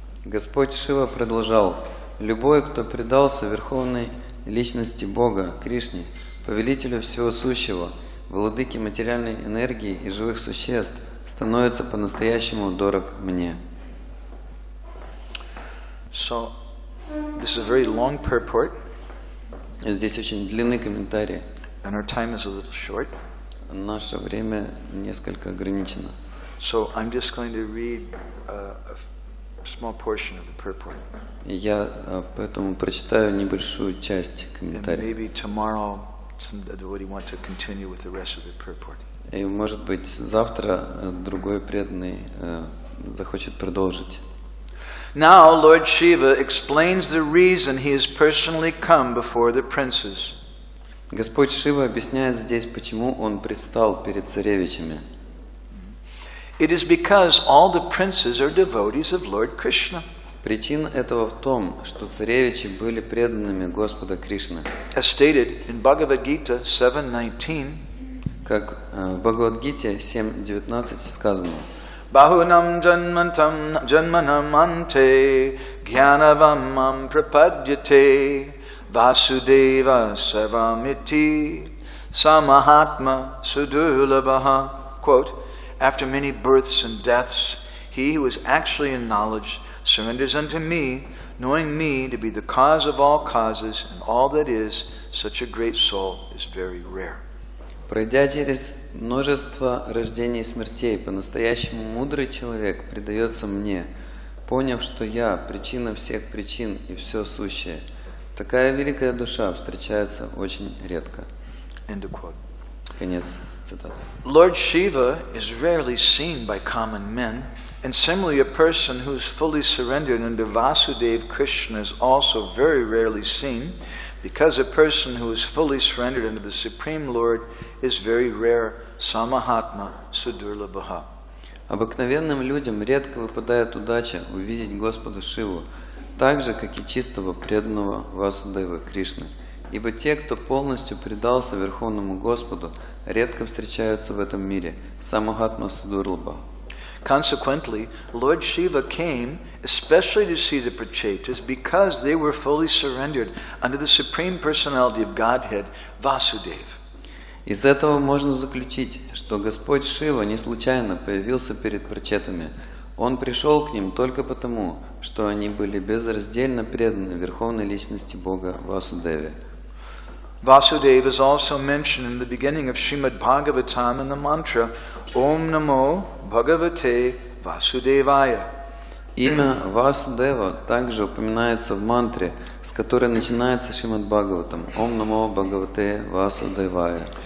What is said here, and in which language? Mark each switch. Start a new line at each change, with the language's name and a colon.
Russian: Господь Шива продолжал, любой, кто предался Верховной Личности Бога, Кришне, повелителю всего сущего, владыке материальной энергии и живых существ, становится по-настоящему дорог мне.
English: So, this is a very long purport.
Russian: Здесь очень длинный комментарий.
English: And our time is a little short.
Russian: Наше время несколько ограничено.
English: So, I'm just going to read a small portion of the purport.
Russian: Я поэтому прочитаю небольшую часть комментария.
English: And maybe tomorrow some devotee want to continue with the rest of the purport.
Russian: И, может быть, завтра другой преданный захочет продолжить.
English: Now Lord Shiva explains the reason he has personally come before the princes.
Russian: Господь Шива объясняет здесь, почему он предстал перед царевичами.
English: It is because all the princes are devotees of Lord Krishna.
Russian: Причина этого в том, что царевичи были преданными Господа Кришны.
English: As stated in Bhagavad Gita 7.19,
Russian: как в Бхагавад-гите 7.19 сказано.
Sanskrit: Бахунам джанмантам джанманам анте гьянавам мам прападьяте васудева савамити самахатма судулабаха.
English: Quote, after many births and deaths, he who is actually in knowledge surrenders unto me, knowing me to be the cause of all causes and all that is, such a great soul is very rare.
Russian: Пройдя через множество рождений и смертей, по-настоящему мудрый человек предается мне, поняв, что я – причина всех причин и все сущее. Такая великая душа встречается очень редко.
English: End of quote.
Russian: Конец цитаты.
English: Lord Shiva is rarely seen by common men, and similarly a person who is fully surrendered under Vasudev Krishna is also very rarely seen, because a person who is fully surrendered unto the Supreme Lord is very rare,
Sanskrit: samahatma sudurlabha.
Russian: Обыкновенным людям редко выпадает удача увидеть Господа Шиву, так же, как и чистого преданного Васудевы Кришны. Ибо те, кто полностью предался Верховному Господу, редко встречаются в этом мире,
Sanskrit: самахатма судурлабха.
English: Consequently, Lord Shiva came especially to see the Prachetas because they were fully surrendered under the Supreme Personality of Godhead, Vasudev.
Russian: Из этого можно заключить, что Господь Шива не случайно появился перед Прачетами. Он пришел к ним только потому, что они были безраздельно преданы Верховной Личности Бога Васудеве.
English: Vasudev is also mentioned in the beginning of Srimad Bhagavatam in the mantra
Sanskrit: Om Namo Bhagavate Vasudevaya.
Russian: Имя Васудева также упоминается в мантре, с которой начинается Шримад Бхагаватам
Sanskrit: Om Namo Bhagavate Vasudevaya.